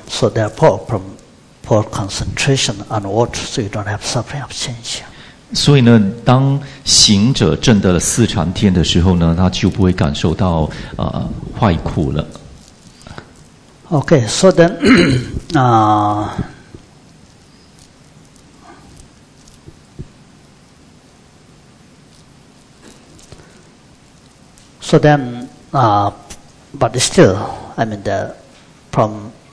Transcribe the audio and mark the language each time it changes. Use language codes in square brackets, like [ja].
[en] So therefore, from poor concentration onward, so you don't have suffering of change. [zh] 所以呢，当行者证得了四禅天的时候呢，他就不会感受到坏苦了。 [en] Okay, so then, but still, I mean, from